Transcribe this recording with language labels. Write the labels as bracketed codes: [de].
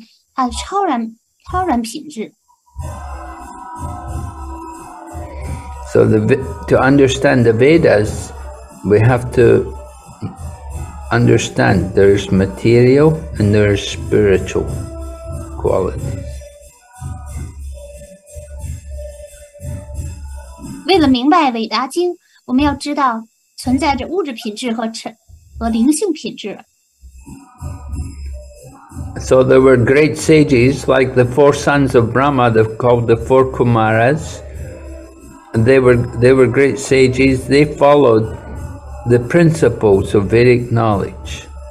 [zh] 我们无需明白物质的愚昧属性、激情属性，但是我们需要去明白它的超然品质。 [en] So to understand the Vedas, we have to understand there is material and there is spiritual qualities. [zh] 为了明白伟达经，我们要知道 存在着物质品质和灵性品质。 [en] So there were great sages like the four sons of Brahma, they're called the four Kumaras. And they were great sages. They followed the principles of Vedic knowledge.